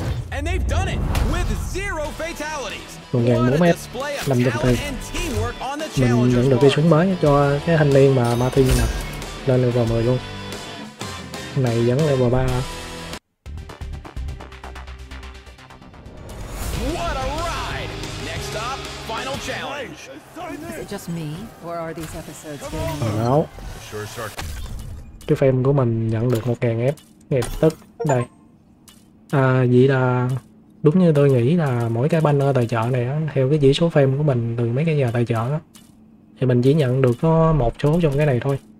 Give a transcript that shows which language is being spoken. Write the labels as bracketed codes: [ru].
[en] And they've done it with zero fatalities. [vi] 1.4m, 5 giật tay. Mình nhận được cái súng mới cho cái thanh niên mà Martin nè. Lên level 10 luôn. Này vẫn level 3. [en] What a ride. Next up, final challenge. Is it just me or are these episodes getting old? [vi] Cái fan của mình nhận được 1.000F ngay lập tức đây. À, vậy là đúng như tôi nghĩ là mỗi cái banner tài trợ này á, theo cái dĩ số fan của mình từ mấy cái nhà tài trợ đó, thì mình chỉ nhận được có một số trong cái này thôi.